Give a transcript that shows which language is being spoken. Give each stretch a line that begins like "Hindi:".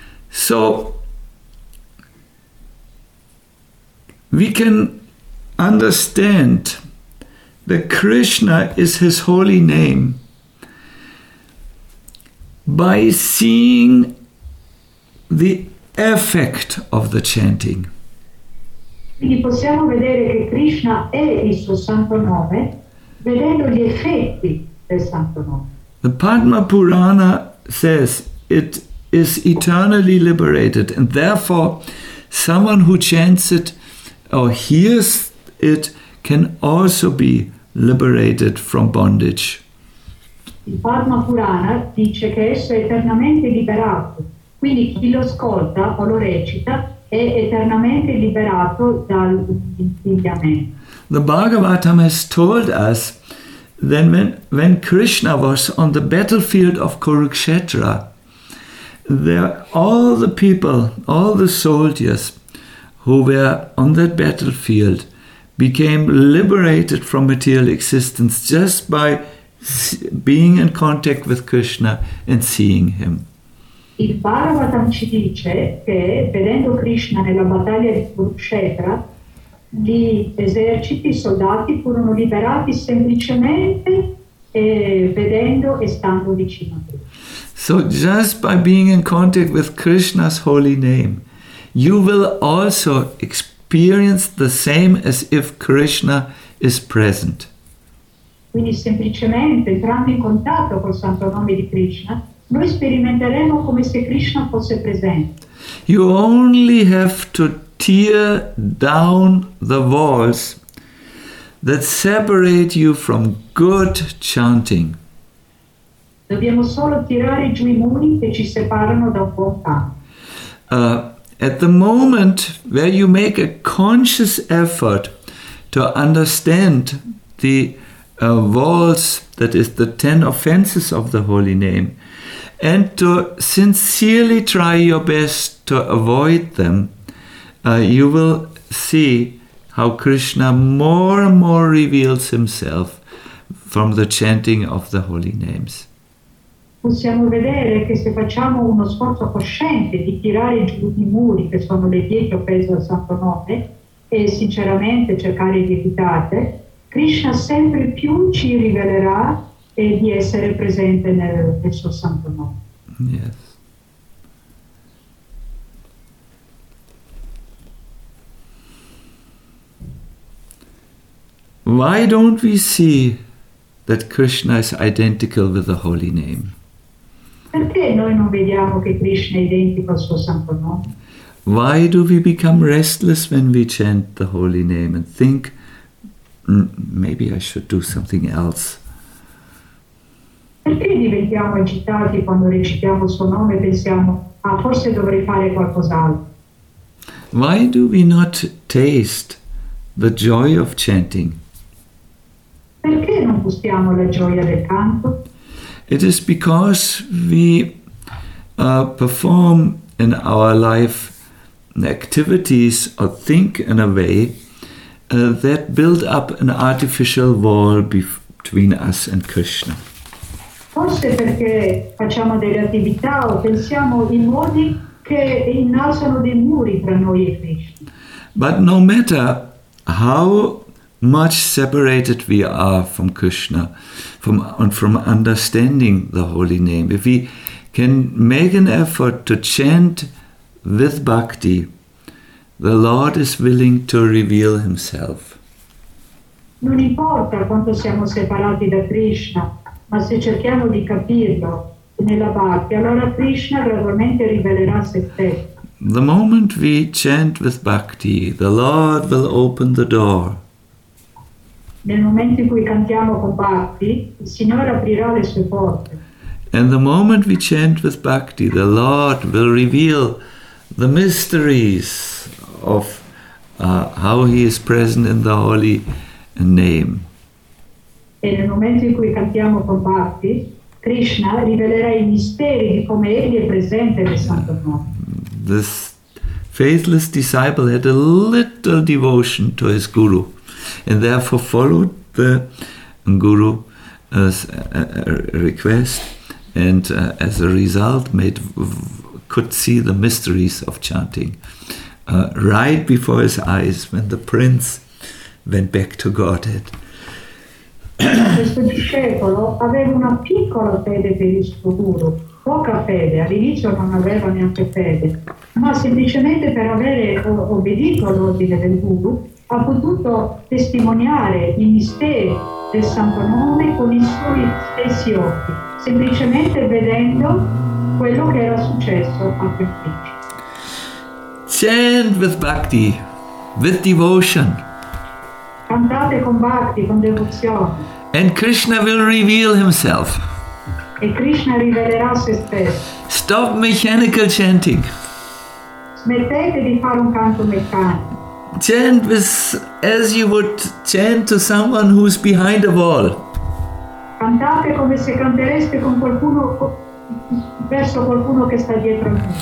English: So, we can understand that Krishna is his holy name by seeing the effect of the chanting.
Italian: Quindi possiamo vedere che Krishna è il suo santo nome vedendo gli effetti del santo nome.
English: The Padma Purana says it is eternally liberated, and therefore someone who chants it or hears it can also be liberated from bondage.
Italian: Il Padma Purana dice che esso è eternamente liberato, quindi chi lo ascolta o lo recita è eternamente liberato dal insegnamento.
English: The Bhagavatam has told us that when Krishna was on the battlefield of Kurukshetra, there all the people, all the soldiers who were on that battlefield became liberated from material existence just by being in contact with Krishna and seeing him.
Italian: Il Bhagavatam ci dice che vedendo Krishna nella battaglia di Kurukshetra, gli eserciti, i soldati furono liberati semplicemente vedendo e stando vicino a lui.
English: So just by being in contact with Krishna's holy name, you will also experience the same as if Krishna is present.
Italian: Quindi semplicemente entrando in contatto col santo nome di Krishna, noi sperimenteremo come se Krishna fosse presente.
English: You only have to tear down the walls that separate you from good chanting.
Italian: Dobbiamo solo tirare giù i muri che ci separano da buon canto.
English: At the moment where you make a conscious effort to understand the walls, that is the 10 offenses of the holy name, and to sincerely try your best to avoid them, you will see how Krishna more and more reveals himself from the chanting of the holy names.
Italian: possiamo vedere che se facciamo uno sforzo cosciente di tirare giù i muri che sono le 10 offese al Santo Nome e sinceramente cercare di evitare, Krishna sempre più ci rivelerà di essere presente nel suo Santo Nome.
English: Yes. Why don't we see that Krishna is identical with the holy name?
Italian: Perché noi non vediamo che Krishna è identico al suo santo nome?
English: Why do we become restless when we chant the holy name and think, maybe I should do something else?
Italian: Perché diventiamo agitati quando recitiamo il suo nome e pensiamo, ah, forse dovrei fare qualcos'altro?
English: Why do we not taste the joy of chanting?
Italian: Perché non gustiamo la gioia del canto?
English: It is because we perform in our life activities or think in a way that build up an artificial wall between us and Krishna.
Italian: Forse perché facciamo delle attività o pensiamo in modi che innalzano dei muri tra noi e Krishna.
English: But no matter how much separated we are from Krishna, from understanding the holy name. If we can make an effort to chant with bhakti, the Lord is willing to reveal Himself.
Italian: Non importa quanto siamo separati da Krishna, ma se cerchiamo di capirlo nella bhakti, allora Krishna gradualmente rivelerà se stesso.
English: The moment we chant with bhakti, the Lord will open the door.
Italian: Nel momento in cui cantiamo con bhakti, il Signore aprirà le sue porte.
English: And the moment we chant with bhakti, the Lord will reveal the mysteries of how He is present in the holy name.
Italian: E nel momento in cui cantiamo con bhakti, Krishna rivelerà i misteri di come Egli è presente nel Santo Nome.
English: This faithless disciple had a little devotion to his guru. And therefore followed the guru's request, and as a result, could see the mysteries of chanting right before his eyes when the prince went back to Godhead.
Italian: Questo discepolo aveva una piccola fede per il suo guru, poca fede. All'inizio non aveva neanche fede, ma semplicemente per avere obbedito all'ordine del guru. Ha potuto testimoniare i misteri del Santo Nome con i suoi stessi occhi, semplicemente vedendo quello che era successo a Krishna.
English: Chant with bhakti, with devotion.
Italian: Cantate con bhakti, con devozione.
English: And Krishna will reveal Himself.
Italian: E Krishna rivelerà se stesso.
English: Stop mechanical chanting.
Italian: Smettete di fare un canto meccanico.
English: Chant with, as you would chant to someone who's behind a wall.
Italian: Cantate come se cantereste con qualcuno verso qualcuno che sta dietro a me.